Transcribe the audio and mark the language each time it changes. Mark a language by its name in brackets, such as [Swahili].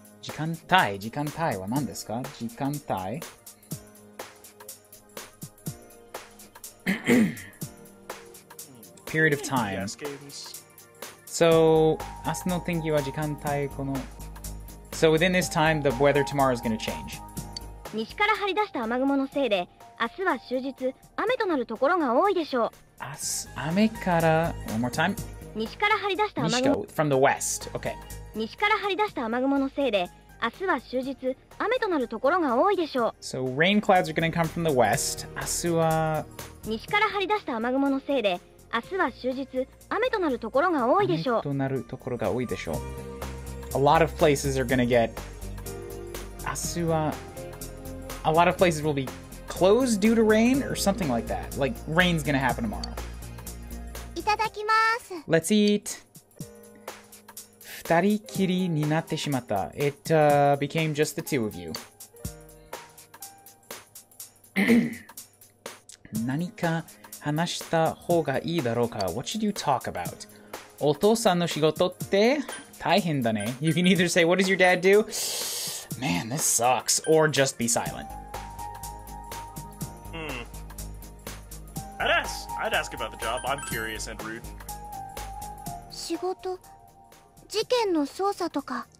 [Japanese] 時間帯、時間帯は何ですか？時間帯。 [English] period of time. [Japanese] So, 明日の天気は時間帯この。 [English] So within this time, the weather tomorrow is going to change. [Japanese] 西から張り出した雨雲のせいで、明日は終日雨となるところが多いでしょう。明日、雨から。 [English] One more time. [Japanese] 西から張り出した雨雲。 [English] From the west. Okay. [Japanese] 西から張り出した雨雲のせいで。明日は終日雨となるところが多いでしょう。 [English] So rain clouds are going to come from the west. [Japanese] 明日は西から張り出した雨雲のせいで、明日は終日雨となるところが多いでしょう。雨となるところが多いでしょう。 [English] A lot of places are going to get [Japanese] 明日は [English] A lot of places will be closed due to rain or something like that. Like rain's going to happen tomorrow. [Japanese] いただきます。 [English] Let's eat. [Japanese] 二人きりになってしまった。 [English] It became just the two of you. [Japanese] 何か話した方がいいだろうか? [English] What should you talk about? [Japanese] お父さんの仕事って大変だね。 [English] You can either say, what does your dad do? Man, this sucks. Or just be silent. I'd ask about the job. I'm curious and rude. [Japanese] 仕事事件の捜査とか